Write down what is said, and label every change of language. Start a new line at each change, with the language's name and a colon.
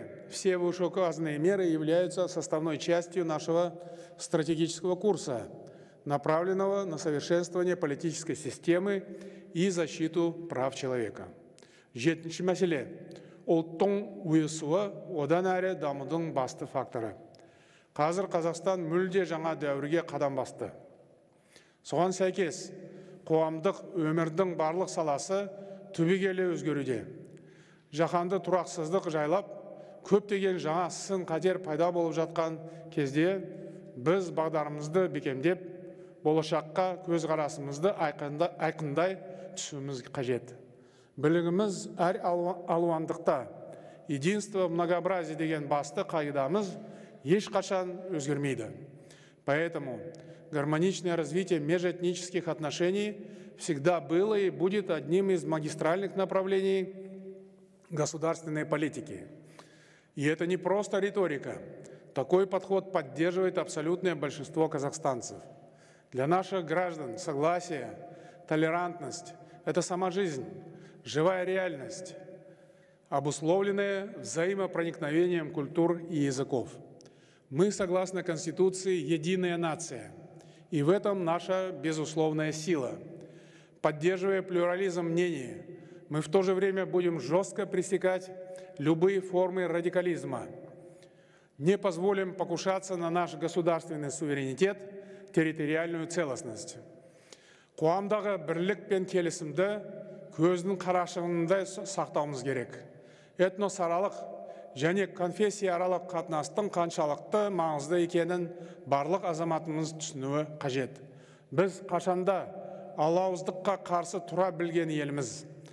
Russian: Все вышеуказанные меры являются составной частью нашего стратегического курса, направленного на совершенствование политической системы и защиту прав человека.
Kazakh: Жетінші мәселе – ұлттың ұйысуы одан әрі дамудың басты факторы. Қазір Қазақстан мүлде жаңа дәуірге қадам басты. Соған сәйкес, қоғамдық өмірдің барлық саласы түбегейлі өзгеруде. Жаһанды тұрақсыздық жайлап, көптеген жаңа сын қатер пайда болып жатқан кезде, біз бағдарымызды бекемдеп, болашаққа көзқарасымызды айқындай түсуіміз қажет. Білігіміз әр алуандықта,
Russian: единство многообразие
Kazakh: деген басты қағидамыз ешқашан өзгермейді.
Russian: Поэтому гармоничное развитие межэтнических отношений всегда было и будет одним из магистральных направлений государственной политики. И это не просто риторика. Такой подход поддерживает абсолютное большинство казахстанцев. Для наших граждан согласие, толерантность – это сама жизнь, живая реальность, обусловленная взаимопроникновением культур и языков. Мы, согласно Конституции, единая нация, и в этом наша безусловная сила. Поддерживая плюрализм мнений, мы в то же время будем жестко пресекать любые формы радикализма. Не позволим покушаться на наш государственный суверенитет, территориальную целостность.
Kazakh: Қоғамдағы бірлік пен келісімді көздің қарашығында сақтауымыз керек. Этносаралық және конфессияаралық қатынастың қаншалықты маңызды екенін барлық азаматымыз түсінуі қажет. Біз қашанда алауыздыққа қарсы тұра білген еліміз.